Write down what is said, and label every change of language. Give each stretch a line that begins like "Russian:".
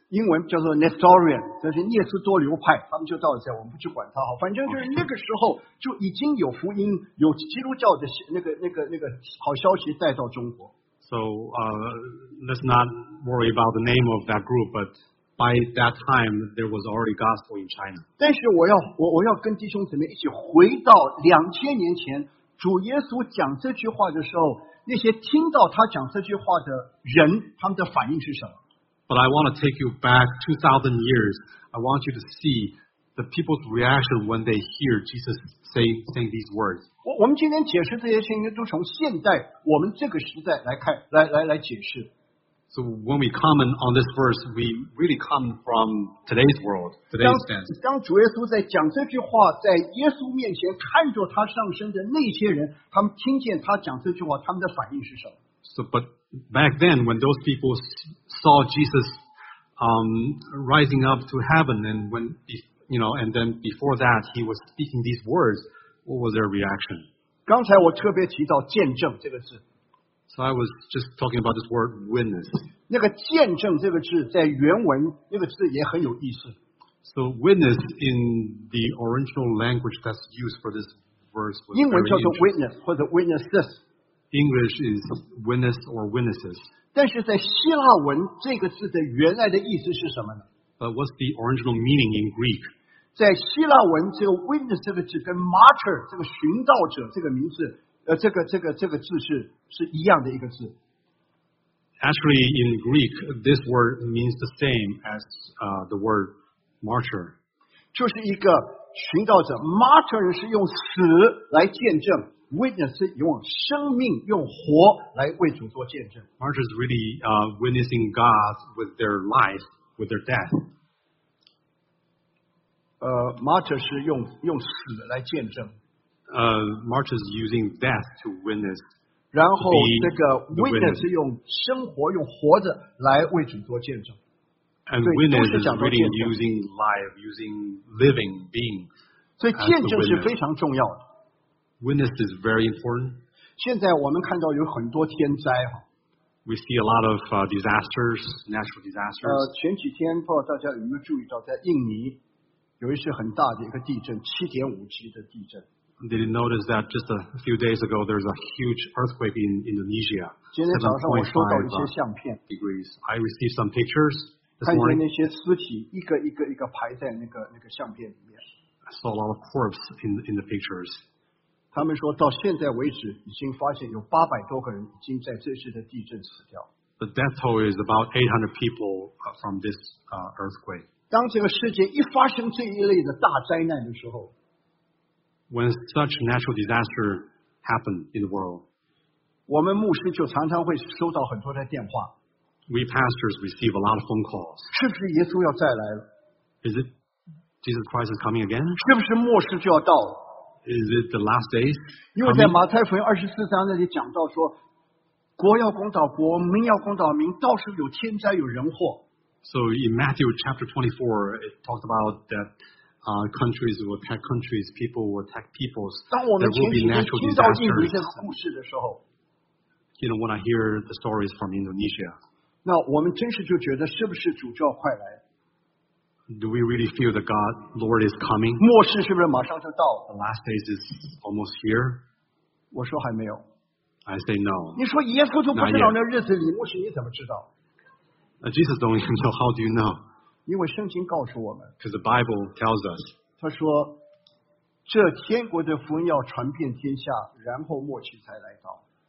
Chinese: 英文叫做 Nestorian, 就是聂斯多流派，他们就到这，我们不去管他，反正就是那个时候就已经有福音，有基督教的那个好消息带到中国。
English: So let's not worry about the name of that group, but by that time, there was already gospel in China.
Chinese: 但是我要跟弟兄姊妹一起回到2000年前，主耶稣讲这句话的时候，那些听到他讲这句话的人，他们的反应是什么？
English: But I want to take you back 2,000 years. I want you to see the people's reaction when they hear Jesus saying these words.
Chinese: 我们今天解释这些事情都从现代我们这个时代来看来解释。
English: So when we comment on this verse, we really come from today's world, today's sense.
Chinese: 当主耶稣在讲这句话，在耶稣面前看着他上升的那些人，他们听见他讲这句话，他们的反应是什么？
English: So but back then, when those people saw Jesus rising up to heaven, and when you know, and then before that, he was speaking these words. What was their reaction?
Chinese: 刚才我特别提到见证这个字。
English: So I was just talking about this word witness.
Chinese: 那个见证这个字在原文那个字也很有意思。
English: So witness in the original language that's used for this verse was
Chinese: 英文叫做 witness 或者 witnesses.
English: English is witness or witnesses.
Chinese: 但是在希腊文这个字的原来的意思是什么呢？
English: But what's the original meaning in Greek?
Chinese: 在希腊文这个 witness 这个字跟 martyr 这个寻道者这个名字这个字是一样的一个字。
English: Actually, in Greek, this word means the same as the word martyr.
Chinese: 就是一个寻道者 ,martyr 是用死来见证 ,witness 是用生命用活来为主做见证。
English: Martyr is really witnessing God with their life, with their death.
Chinese: Martyr 是用死来见证。
English: Martyr is using death to witness.
Chinese: 然后这个 witness 是用生活用活着来为主做见证。
English: And witness is really using life, using living being.
Chinese: 所以见证是非常重要的。
English: Witness is very important.
Chinese: 现在我们看到有很多天灾。
English: We see a lot of disasters, natural disasters.
Chinese: 前几天不知道大家有没有注意到，在印尼有一次很大的一个地震，7.5级的地震。
English: Did you notice that just a few days ago there's a huge earthquake in Indonesia?
Chinese: 今天早上我收到一些相片。
English: Degrees. I received some pictures.
Chinese: 看见那些尸体一个一个一个排在那个相片里面。
English: I saw a lot of corpses in the pictures.
Chinese: 他们说到现在为止已经发现有800多个人已经在这次的地震死掉。
English: The death toll is about 800 people from this earthquake.
Chinese: 当这个世界一发生这一类的大灾难的时候，
English: When such natural disaster happened in the world,
Chinese: 我们牧师就常常会收到很多的电话。
English: We pastors receive a lot of phone calls.
Chinese: 是不是耶稣要再来了？
English: Is it Jesus Christ is coming again?
Chinese: 是不是末世就要到了？
English: Is it the last days?
Chinese: 因为在马太福音24章那里讲到说，国要攻倒国，民要攻倒民，到时有天灾有人祸。
English: So in Matthew chapter 24, it talks about that countries will attack countries, people will attack peoples.
Chinese: 当我们前几天听到印尼这个故事的时候
English: ，You know when I hear the stories from Indonesia,
Chinese: 那我们真是就觉得是不是主就要快来？
English: Do we really feel that God, Lord is coming?
Chinese: 末世是不是马上就到了？
English: The last days is almost here.
Chinese: 我说还没有。
English: I say no.
Chinese: 你说耶稣都不知道那日子里，牧师你怎么知道？
English: Jesus don't even know. How do you know?
Chinese: 因为圣经告诉我们。
English: Because the Bible tells us.
Chinese: 他说，这天国的福音要传遍天下，然后末期才来到。